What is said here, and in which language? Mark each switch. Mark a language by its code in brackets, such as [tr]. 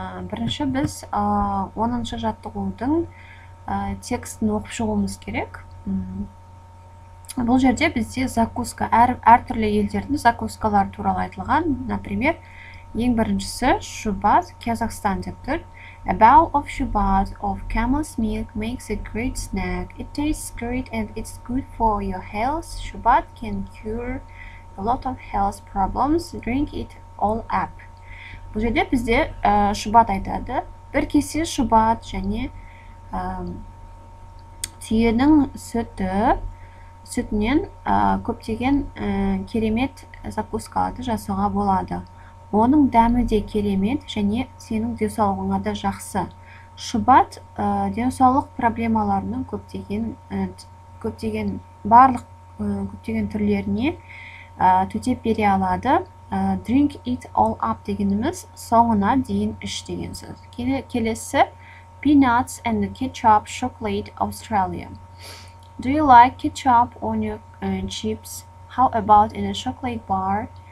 [kk] Бірінші, біз 10-шы жаттығудың текстін оқып шығуымыз керек. Бұл жерде бізде закуска, әртүрлі елдердің закускалары туралы айтылған. Например, ең біріншісі Шубаз, Казахстан деп тұр. [en] A bowl of Shubat of camel's milk makes a great snack. It tastes great and it's good for your health. Shubat can cure a lot of health problems. Drink it all up. [kk] Бұл жерде бізде Шубат айтады. Бір кесе Шубат және түйенің сүтінен көптеген керемет закускаларды жасауға болады. Оның дәмі де керемет, және сенің денсаулығыңа да жақсы. Шубат денсаулық проблемаларының көптеген түрлеріне төтеп бере алады. [en] Drink it all up [kk] дегеніміз соңына дейін іш деген сөз. Келесі, [en] peanuts and ketchup chocolate Australia. Do you like ketchup on your chips? How about in a chocolate bar?